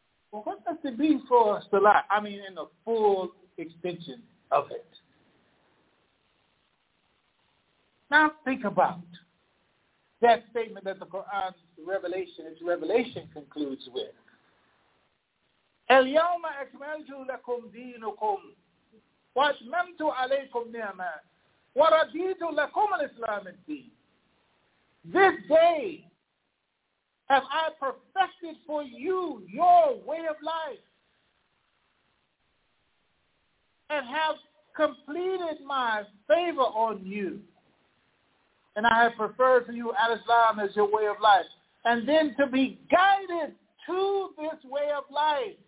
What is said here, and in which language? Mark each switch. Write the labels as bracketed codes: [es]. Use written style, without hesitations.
[en] Well, what does it mean for salat? I mean, in the full extension of it. Now think about that statement that the Quran, its revelation concludes with. [ar] اليوم أكملت لكم دينكم وأتممت عليكم نعمة ورديت لكم الإسلام الدين. [en] This day have I perfected for you your way of life and have completed my favor on you. And I have preferred for you Al-Islam as your way of life. And then to be guided to this way of life.